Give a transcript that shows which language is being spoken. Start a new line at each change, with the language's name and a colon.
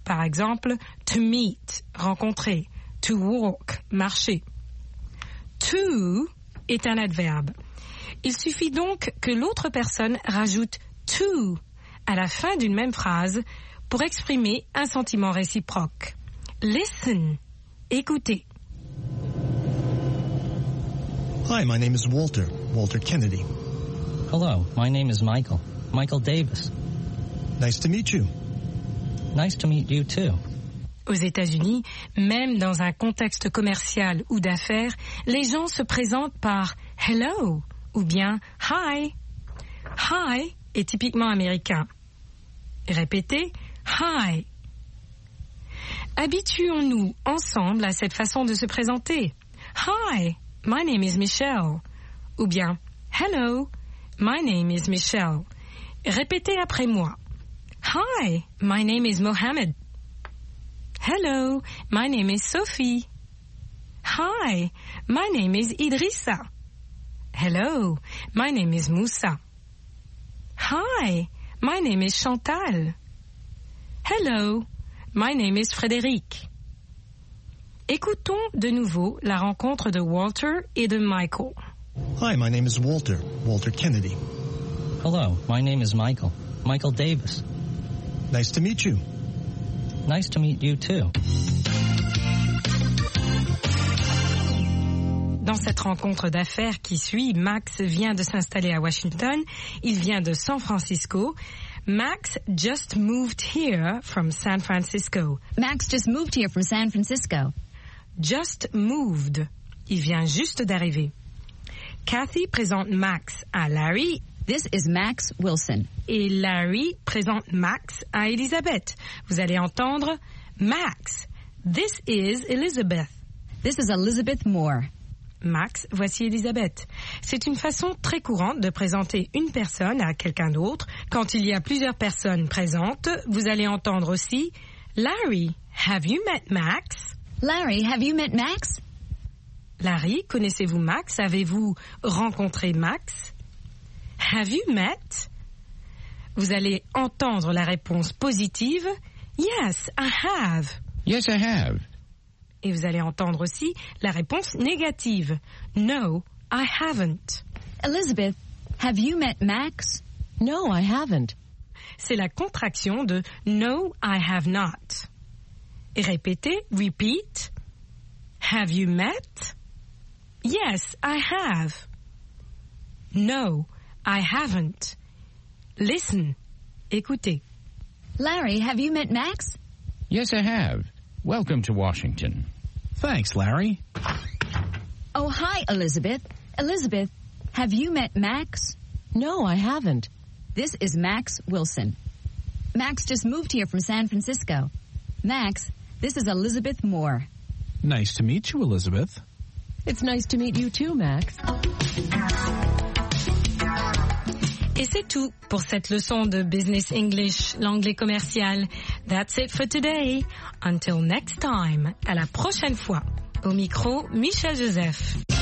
French: Par exemple,
English: to meet,
French: rencontrer,
English: to walk,
French: marcher. To est un adverbe. Il suffit donc que l'autre personne rajoute to à la fin d'une même phrase pour exprimer un sentiment réciproque.
English: Listen, écoutez. Hi, my name is Walter, Walter Kennedy. Hello, my name is Michael, Michael Davis. Nice to meet you. Nice to meet you too.
French: Aux États-Unis, même dans un contexte commercial ou d'affaires, les gens se présentent par hello ou bien hi. Hi est typiquement américain. Répétez, hi. Habituons-nous ensemble à cette façon de se présenter.
English: Hi. My name is Michelle.
French: Ou bien,
English: hello, my name is Michelle.
French: Répétez après moi.
English: Hi, my name is Mohammed. Hello, my name is Sophie. Hi, my name is Idrissa. Hello, my name is Moussa. Hi, my name is Chantal. Hello, my name is Frédéric.
French: Écoutons de nouveau la rencontre de Walter et de Michael.
English: Hi, my name is Walter, Walter Kennedy. Hello, my name is Michael, Michael Davis. Nice to meet you. Nice to meet you too.
French: Dans cette rencontre d'affaires qui suit, Max vient de s'installer à Washington. Il vient de San Francisco.
English: Max just moved here from San Francisco. Max just moved here from San Francisco. Just moved.
French: Il vient juste d'arriver. Kathy présente Max à Larry.
English: This is Max Wilson.
French: Et Larry présente Max à Elizabeth. Vous allez entendre Max.
English: This is Elizabeth. This is Elizabeth Moore.
French: Max, voici Elizabeth. C'est une façon très courante de présenter une personne à quelqu'un d'autre. Quand il y a plusieurs personnes présentes, vous allez entendre aussi
English: Larry, have you met Max? Larry, have you met Max?
French: Larry, connaissez-vous Max? Avez-vous rencontré Max?
English: Have you met?
French: Vous allez entendre la réponse positive.
English: Yes, I have. Yes, I have.
French: Et vous allez entendre aussi la réponse négative.
English: No, I haven't. Elizabeth, have you met Max? No, I haven't.
French: C'est la contraction de
English: no, I have not. Répétez, repeat. Have you met? Yes, I have. No, I haven't. Listen, écoutez. Larry, have you met Max? Yes, I have. Welcome to Washington. Thanks, Larry. Oh, hi, Elizabeth. Elizabeth, have you met Max? No, I haven't. This is Max Wilson. Max just moved here from San Francisco. Max, this is Elizabeth Moore. Nice to meet you, Elizabeth. It's nice to meet you too, Max.
French: Et c'est tout pour cette leçon de Business English, l'anglais commercial.
English: That's it for today. Until next time,
French: à la prochaine fois. Au micro, Michel Joseph.